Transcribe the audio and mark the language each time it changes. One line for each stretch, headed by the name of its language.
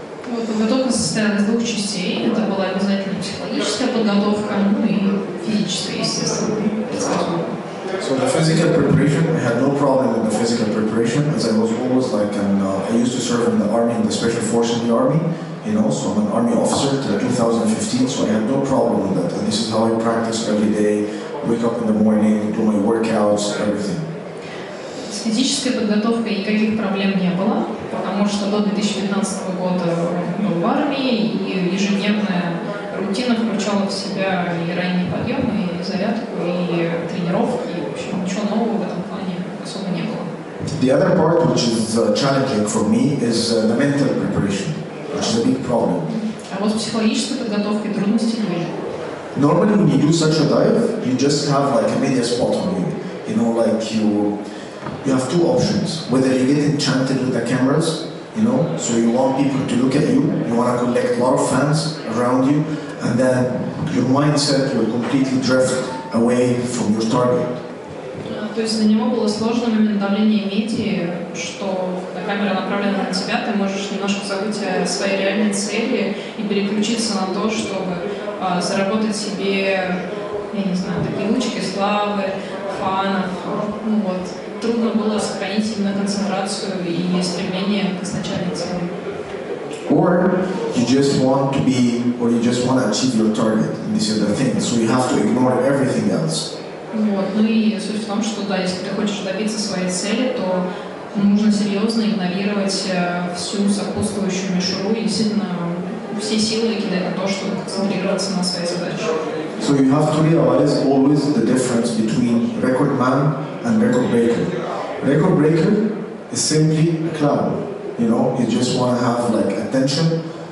Russian: Вот подготовка состояла из двух частей. Это была обязательно психологическая подготовка, ну и физическая, естественно.
English: So the physical preparation, I had no problem with the physical preparation, as I was always like, I used to serve in the army, in the special forces in the army, you know, so I'm an army officer till 2015, so I had no problem with that. And this is how I practice every day, wake up in the morning, do my workouts, everything.
Russian: С физической подготовкой никаких проблем не было, потому что до 2015 года был в армии, и ежедневная рутина включала в себя и ранние подъемы, и зарядку, и тренировки, и, в общем, ничего нового в этом плане особо не было.
English: The other part, which is challenging for me, is the mental preparation, which is a big problem.
Russian: А вот с психологической подготовкой трудности были.
English: Normally, when you do such a dive, you just have like a media spot on you, you know, like you have two options, whether you get enchanted with the cameras, you know, so you want people to look at you, you want to collect a lot of fans around you, and then your mindset will completely drift away from your target.
Russian: То есть для него было сложно момент давления медии, что когда камера направлена на тебя, ты можешь немножко забыть о своей реальной цели и переключиться на то, чтобы заработать себе, я не знаю, такие лучики славы, фанов, ну вот. Трудно было сохранить именно концентрацию и стремление к изначальной цели.
English: Or you just want to be, or you just want to achieve your target, and this is the thing, so you have to ignore everything else.
Russian: Вот, ну и суть в том, что да, если ты хочешь добиться своей цели, то нужно серьезно игнорировать всю сопутствующую мишуру и действительно все силы кидать на то, чтобы концентрироваться на своей задаче.
English: So you have to realize always the difference between record man and record breaker. Record breaker is simply a club. You know, you just want to have like attention.